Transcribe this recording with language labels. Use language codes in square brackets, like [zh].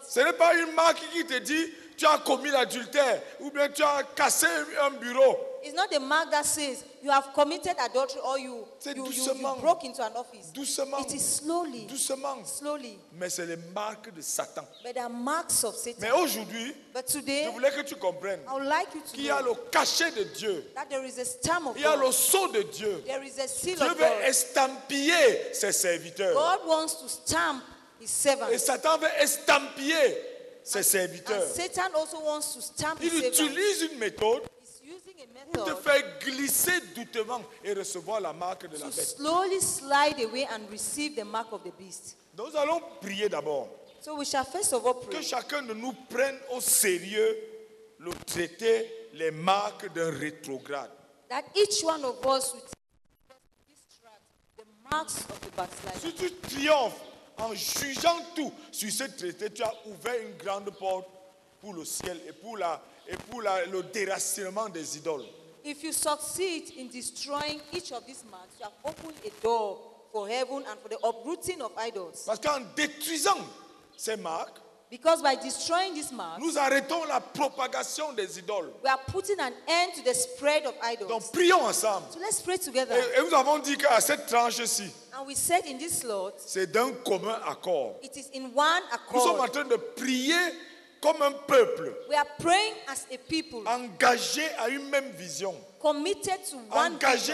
[fr] Ce n'est pas une marque qui te dit tu as commis l'adultère ou bien tu as cassé un bureau. [en] It's not the mark that says you have committed adultery or you broke into an office. [fr] Doucement. [en] It is slowly. [fr] Doucement. [en] Slowly. [fr] Mais c'est les marques de Satan. [en] But there are marks of Satan. [fr] Mais aujourd'hui, [en] but today, [fr] je voulais que tu comprennes [en] I would like you to [fr] qu'il y a le cachet de Dieu. [en] That there is a stamp of [fr] il y a [en] God. [fr] Le sceau de Dieu. [en] There is a seal [fr] Dieu [en] of God. [fr] Veut estampiller ses serviteurs. [en] God wants to stamp his servants. [fr] Et Satan veut estampiller ses serviteurs. [en] And Satan also wants to stamp [fr] il [en] his [fr] utilise [en] servants. [fr] Une méthode pour te faire glisser doucement et recevoir la marque de la bête. [en] Slowly slide away and receive the mark of the beast. [fr] Nous allons prier d'abord. [en] So we shall first of all pray. [fr] Que chacun de nous prenne au sérieux le traité les marques d'un rétrograde. [en] That each one of us will extract the marks of the backslider. [fr] Si tu triomphes en jugeant tout sur ce traité, tu as ouvert une grande porte pour le ciel et pour la et pour la, le déracinement des idoles. [en] If you succeed in destroying each of these marks, you have opened a door for heaven and for the uprooting of idols. [fr] Parce qu'en détruisant ces marques, [en] because by destroying these marks, [fr] nous arrêtons la propagation des idoles. [en] We are putting an end to the spread of idols. [fr] Donc prions ensemble. [en] So let's pray together. [fr] Et nous avons dit qu'à cette tranche-ci, [en] and we said in this slot, [fr] c'est d'un commun accord. [en] It is in one accord. [fr] Nous sommes en train de prier comme un peuple. [en] We are praying as a people. [fr] Engagé à une même vision. [en] Committed to one [fr] engagé